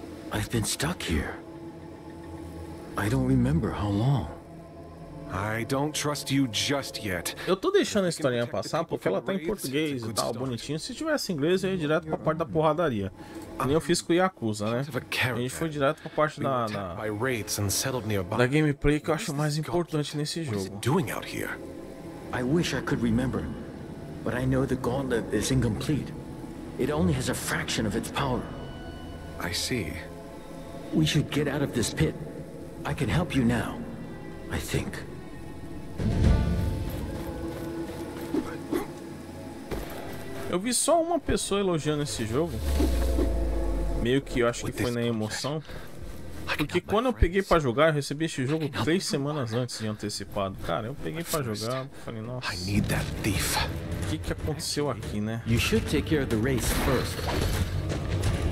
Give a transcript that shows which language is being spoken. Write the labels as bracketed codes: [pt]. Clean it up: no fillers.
[en] I've been stuck here. I don't remember how long. I don't trust you just yet. [pt] Eu tô deixando a historinha passar porque ela tá em português e tal, bonitinho. Se tivesse inglês, eu ia direto pra parte da porradaria. Que nem eu fiz com o Yakuza, né? A gente foi direto pra parte da gameplay que eu acho mais importante nesse jogo. O que ele está fazendo aqui? Eu gostaria de lembrar, mas eu sei que o Gauntlet é incompleto. Ele só tem uma fração de seu poder. [en] I see. We should get out of this pit. I can help you now, I think. [pt] Eu vi só uma pessoa elogiando esse jogo. Meio que eu acho que foi na emoção. Porque quando eu peguei pra jogar, eu recebi esse jogo 3 semanas antes de antecipado. Cara, eu peguei pra jogar, falei, nossa. [en] I need that thief. [pt] O que que aconteceu aqui, né? [en] You should take care of the race first.